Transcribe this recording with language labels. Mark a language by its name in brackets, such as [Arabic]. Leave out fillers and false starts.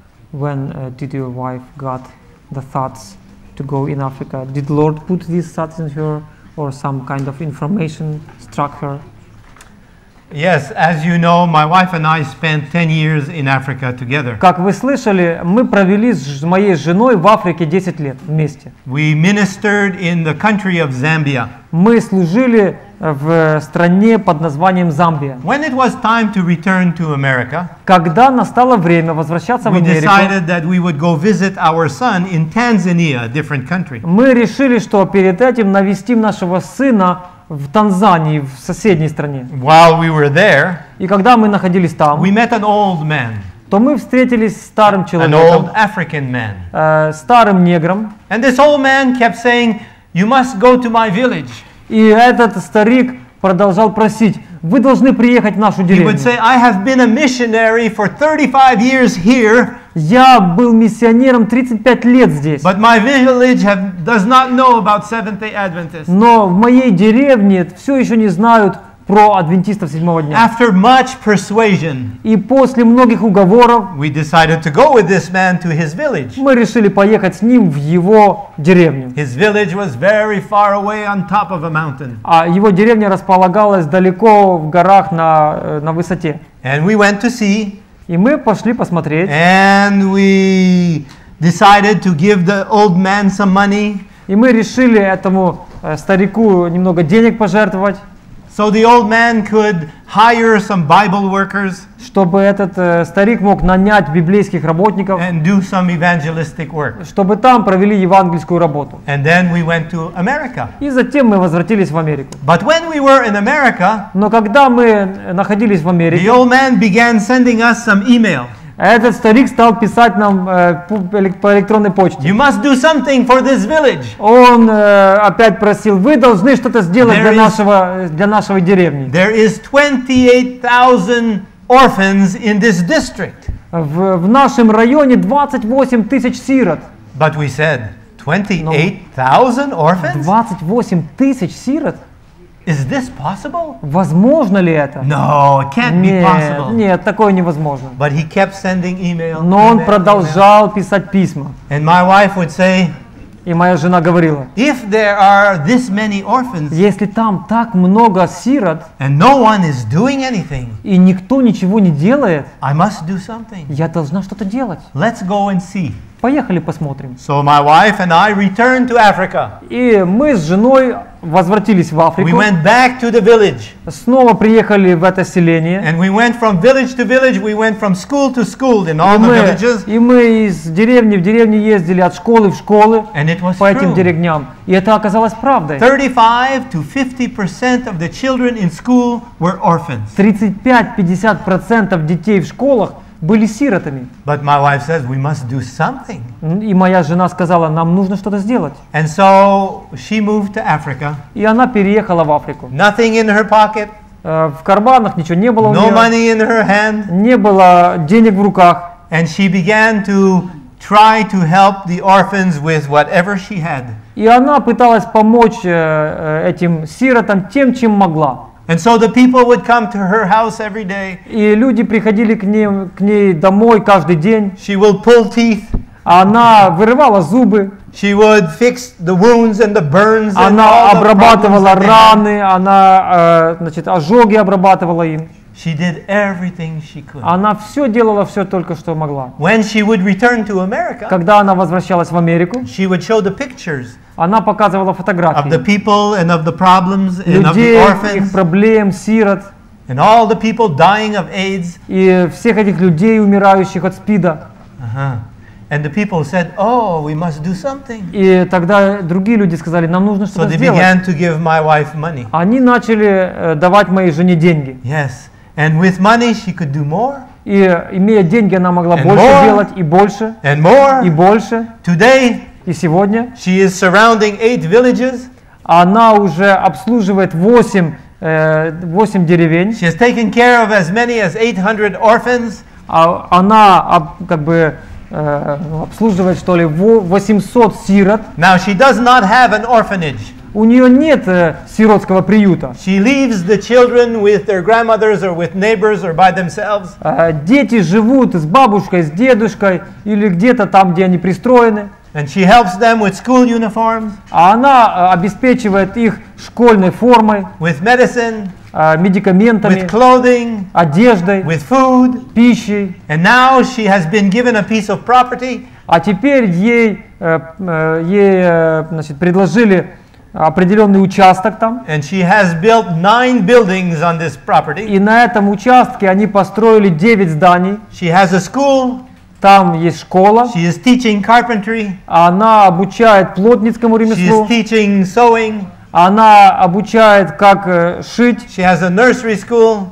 [English] When did your wife got the thoughts to go in Africa? Did Lord put these thoughts in her, or some kind of information struck her? Yes, as you know, my wife and I spent 10 years in Africa together. [Russian] Как вы слышали, мы провели с моей женой в Африке 10 лет вместе. [English] We ministered in the country of Zambia. [Russian] Мы служили в стране под названием Замбия. [English] When it was time to return to America, [Russian] когда настало время возвращаться в Америку, [English] we decided that we would go visit our son in Tanzania, a different country. [Russian] Мы решили, что перед этим навестим нашего сына в Танзании, в соседней стране. [English] While we were there, [Russian] и когда мы находились там, [English] we met an old man, [Russian] то мы встретились с старым человеком, [English] an old African man, [Russian] старым негром. [English] And this old man kept saying, "You must go to my village." [Russian] И этот старик продолжал просить: вы должны приехать в нашу деревню. [English] He would say, I have been a missionary for 35 years here. [Russian] Я был миссионером 35 лет здесь. [English] But my village does not know about Seventh-day Adventists. [Russian] Но в моей деревне все еще не знают, про адвентистов седьмого дня. [English] After much persuasion, [Russian] и после многих уговоров, [English] we decided to go with this man to his village. [Russian] Мы решили поехать с ним в его деревню. [English] His village was very far away on top of a mountain. [Russian] А его деревня располагалась далеко в горах на высоте. [English] And we went to see. [Russian] И мы пошли посмотреть. [English] And we decided to give the old man some money. [Russian] И мы решили этому старику немного денег пожертвовать. [English] So the old man could hire some Bible workers, [Russian] чтобы этот старик мог нанять библейских работников, [English] and do some evangelistic work, [Russian] чтобы там провели евангельскую работу. [English] And then we went to America. [Russian] И затем мы возвратились в Америку. [English] But when we were in America, [Russian] но когда мы находились в Америке, [English] the old man began sending us some email. [Russian] Этот старик стал писать нам по электронной почте. [English] You must do something for this village. [Russian] Он опять просил: вы должны что-то сделать для нашего деревни. [English] There is 28,000 orphans in this district. [Russian] В нашем районе 28 тысяч сирот. [English] But we said 28,000 orphans? [Russian] 28 тысяч сирот? [English] Is this possible? [Russian] Возможно ли это? [English] No, it can't be possible. [Russian] Нет, такое невозможно. [English] But he kept sending email. [Russian] Но он продолжал писать письма. [English] And my wife would say. [Russian] И моя жена говорила. [English] If there are this many orphans. [Russian] Если там так много сирот. [English] And no one is doing anything. [Russian] И никто ничего не делает. [English] I must do something. [Russian] Я должна что-то делать. [English] Let's go and see. [Russian] Поехали посмотрим. [English] So my wife and I returned to Africa. [Russian] И мы с женой возвратились в Африку. [English] We went back to the village. [Russian] Снова приехали в это селение. [English] And we went from village to village, we went from school to school in all the villages. [Russian] И мы из деревни в деревню ездили, от школы в школы по этим деревням. И это оказалось правдой. [English] 35-50% of the children in school were orphans. [Russian] 35-50% детей в школах были сиротами. [English] But my wife says we must do something. [Russian] И моя жена сказала, нам нужно что-то сделать. [English] And so she moved to Africa. [Russian] И она переехала в Африку. [English] Nothing in her pocket. [Russian] В карманах ничего не было у нее. [English] No money in her hand. [Russian] Не было денег в руках. [English] And she began to try to help the orphans with whatever she had. [Russian] И она пыталась помочь этим сиротам тем, чем могла. [English] And so the people would come to her house every day. [Russian] И люди приходили к ней домой каждый день. [English] She would pull teeth. [Russian] Она вырывала зубы. [English] She would fix the wounds and the burns. [Russian] Она обрабатывала раны, она, значит, ожоги обрабатывала им. [English] She did everything she could. [Russian] Она все делала, все только что могла. [English] When she would return to America, [Russian] когда она возвращалась в Америку, [English] she would show the pictures. [Russian] Она показывала фотографии [English] of the people and of the problems and of the orphans, [Russian] их проблем, сирот, [English] and all the people dying of AIDS, [Russian] и всех этих людей, умирающих от СПИДа. [English] And the people said, "Oh, we must do something." [Russian] И тогда другие люди сказали, нам нужно что-то сделать. [English] So they began to give my wife money. [Russian] Они начали давать моей жене деньги. [English] Yes. And with money she could do more. [Russian] И имея деньги, она могла больше делать и больше. [English] And more. [Russian] И больше. [English] Today. [Russian] И сегодня. [English] She is surrounding 8 villages. [Russian] Она уже обслуживает 8 деревень. [English] She has taken care of as many as 800 orphans. [Russian] Она как бы обслуживает, что ли, 800 сирот. [English] Now she does not have an orphanage. [Russian] У нее нет сиротского приюта. [English] She leaves the children with their grandmothers or with neighbors or by themselves. [Russian] Дети живут с бабушкой, с дедушкой или где-то там, где они пристроены. [English] And she helps them with school uniforms. [Russian] А она обеспечивает их школьной формой. [English] With medicine. [Russian] Медикаментами. [English] With clothing. [Russian] Одеждой. [English] With food. [Russian] Пищей. [English] And now she has been given a piece of property. [Russian] А теперь ей предложили определенный участок там. [English] And she has built 9 buildings on this property. [Russian] И на этом участке они построили 9 зданий. [English] She has a school. [Russian] Там есть школа. [English] She is teaching carpentry. [Russian] Она обучает плотницкому ремеслу. [English] She is teaching sewing. [Russian] Она обучает, как шить. [English] She has a nursery school.